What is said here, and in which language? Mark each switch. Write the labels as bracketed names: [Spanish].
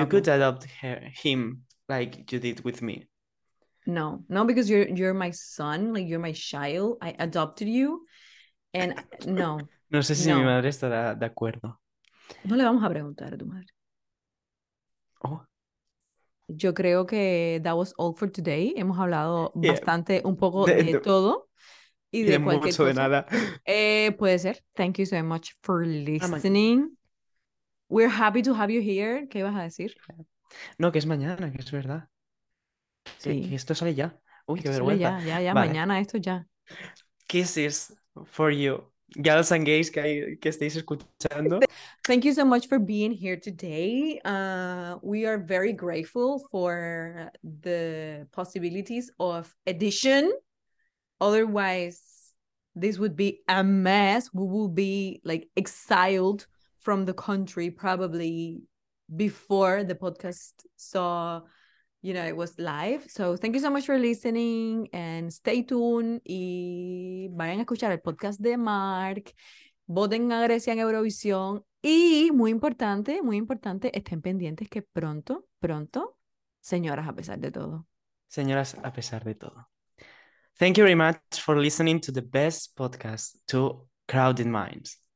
[English] You could adopt him like you did with me. No, no, because you're my son, like you're my child. I adopted you, and no. [Spanish] No sé si no. Mi madre estará de acuerdo. No le vamos a preguntar a tu madre. Oh. Yo creo que [English] that was all for today. [Spanish] Hemos hablado bastante, un poco de todo. Y de mucho cosa. De nada. Puede ser. [English] Thank you so much for listening. We're happy to have you here. [Spanish] ¿Qué ibas a decir? No, que es mañana, que es verdad. Sí. Que esto sale ya. Uy, esto qué vergüenza. Ya, vale. Mañana esto ya. [English] Kisses for you, girls and gays [Spanish] que estáis escuchando. [English] Thank you so much for being here today. We are very grateful for the possibilities of edition. Otherwise, this would be a mess. We will be like exiled from the country probably before the podcast saw, you know, it was live. So thank you so much for listening and stay tuned. [Spanish] Y vayan a escuchar el podcast de Mark. Voten a Grecia en Eurovisión. Y muy importante, estén pendientes que pronto, pronto, señoras a pesar de todo. Señoras a pesar de todo. [English] Thank you very much for listening to the best podcast, To Crowded Minds.